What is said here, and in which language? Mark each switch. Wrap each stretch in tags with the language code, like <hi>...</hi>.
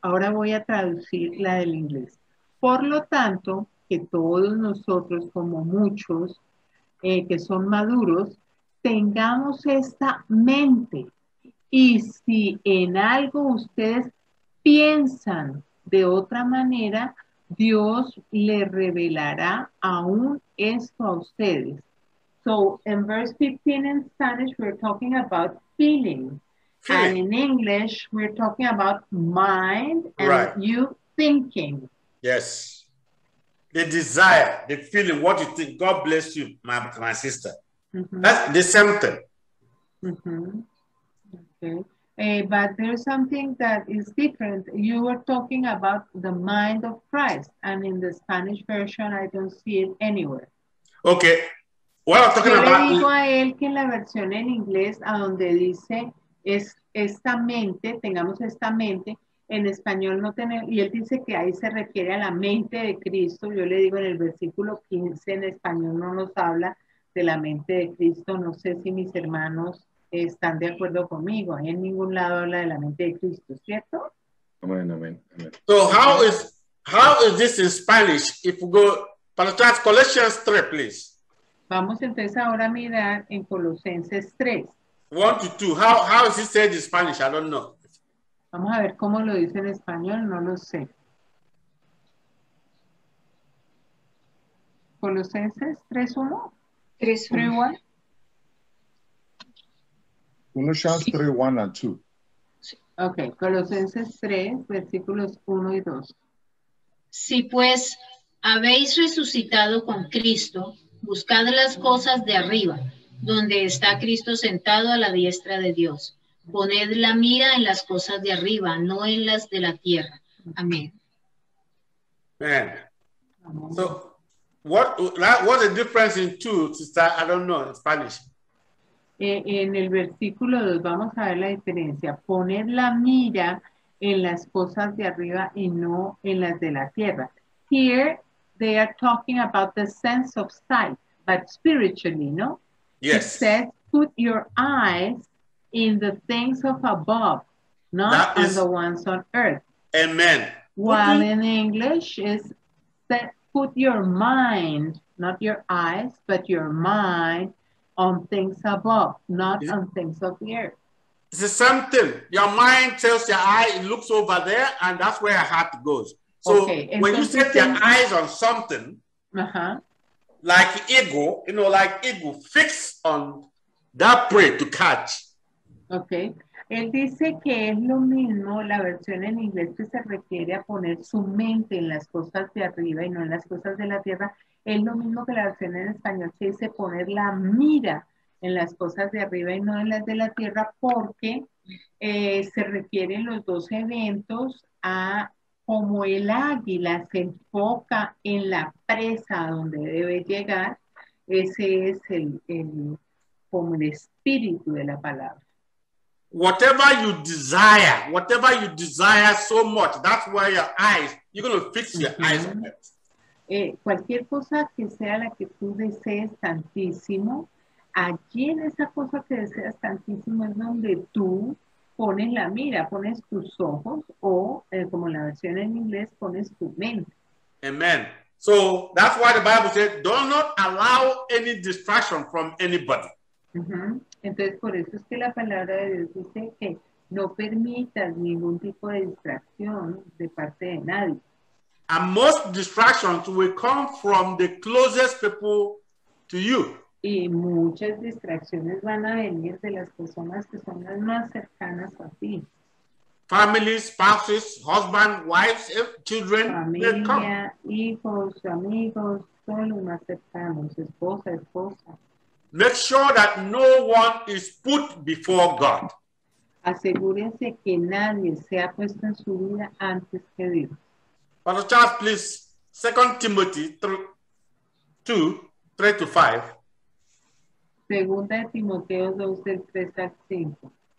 <es>Ahora voy a traducir la del inglés. Por lo tanto, que todos nosotros, como muchos que son maduros, tengamos esta mente. Y si en algo ustedes piensan de otra manera, Dios le revelará aún esto a ustedes.</es> <en>So, in verse 15 in Spanish, we're talking about feeling. Sí. And in English, we're talking about mind and right. You thinking. Yes. The desire, the feeling, what you think. God bless you, my sister. Mm-hmm. That's the same thing. Mm-hmm. Okay. But there's something that is different. You were talking about the mind of Christ. And in the Spanish version, I don't see it anywhere. Okay. What I'm talking about...</en> <es>Yo le digo a él que en la versión en inglés, a donde dice, es esta mente, tengamos esta mente... En español no tener, y él dice que ahí se refiere a la mente de Cristo. Yo le digo en el versículo 15, en español no nos habla de la mente de Cristo. No sé si mis hermanos están de acuerdo conmigo. Ahí en ningún lado habla de la mente de Cristo, ¿cierto? Amén, amén.</es> <en>So, how is this in Spanish? If we go,</en> <es>para atrás,</es> <en>Colossians 3, please.</en> <es>Vamos entonces ahora a mirar en Colosenses 3.</es> <en>1 to 2. How is it said in Spanish? I don't know.</en> <es>Vamos a ver cómo lo dice en español, no lo sé. Colosenses 3:1. 3:1. Colosenses 3:1 and 2. Ok, Colosenses 3, versículos 1 y 2. Si pues habéis resucitado con Cristo, buscad las cosas de arriba, donde está Cristo sentado a la diestra de Dios. Poned la mira en las cosas de arriba, no en las de la tierra. Amén.</es> <en>Amen. So, what's the difference in two? Sister, I don't know, in Spanish.</en> <es>En el versículo 2 vamos a ver la diferencia. Poner la mira en las cosas de arriba y no en las de la tierra.</es> <en>Here, they are talking about the sense of sight, but spiritually, no? Yes. It says, put your eyes in the things of above, not that on is... the ones on earth. Amen. While in English, is that put your mind, not your eyes, but your mind, on things above, not on things of the earth. It's the same thing. Your mind tells your eye, it looks over there, and that's where your heart goes. So okay. When you set your eyes on something, like eagle, you know, like eagle, fix on that prey to catch. Okay.</en> <es>Él dice que es lo mismo, la versión en inglés, que se requiere a poner su mente en las cosas de arriba y no en las cosas de la tierra. Es lo mismo que la versión en español que dice poner la mira en las cosas de arriba y no en las de la tierra, porque se requieren los dos eventos a como el águila se enfoca en la presa donde debe llegar. Ese es el como el espíritu de la palabra.</es> <en>Whatever you desire so much, that's where your eyes, you're going to fix your eyes on it.</en> <es>Cualquier cosa que sea la que tú desees tantísimo, allí en esa cosa que deseas tantísimo es donde tú pones la mira, pones tus ojos o, como la versión en inglés, pones tu mente.</es> <en>Amen. So, that's why the Bible says, do not allow any distraction from anybody.</en> <es>Entonces, por eso es que la palabra de Dios dice que no permitas ningún tipo de distracción de parte de nadie.</es> <en>And most distractions will come from the closest people to you.</en> <es>Y muchas distracciones van a venir de las personas que son las más cercanas a ti.</es> <en>Family, spouses, husband, wives, children,</en> <es>familia, come. Hijos, amigos, son los más cercanos, esposa, esposa.</es> <en>Make sure that no one is put before God.</en> <es>Asegúrense que nadie sea puesto en su vida antes que Dios.</es> <en>Pastor Charles, please, 2 Timothy 2:3-5.</en> <es>Segunda de Timoteo 2:3-5.</es>